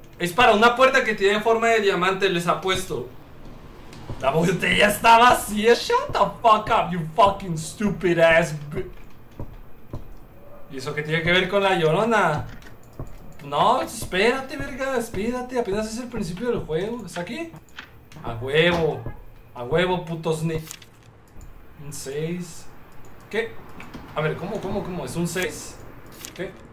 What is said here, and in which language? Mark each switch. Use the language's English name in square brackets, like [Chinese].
[Spanish] Es para una puerta que tiene forma de diamante, les apuesto. La botella está vacía. [English] Shut the fuck up, you fucking stupid ass bitch. [Spanish] ¿Y eso qué tiene que ver con la llorona? No, espérate, verga, espérate. Apenas es el principio del juego. ¿Está aquí? A huevo. A huevo, puto sniff. Un 6. ¿Qué? A ver, ¿cómo? ¿Es un 6? ¿Qué?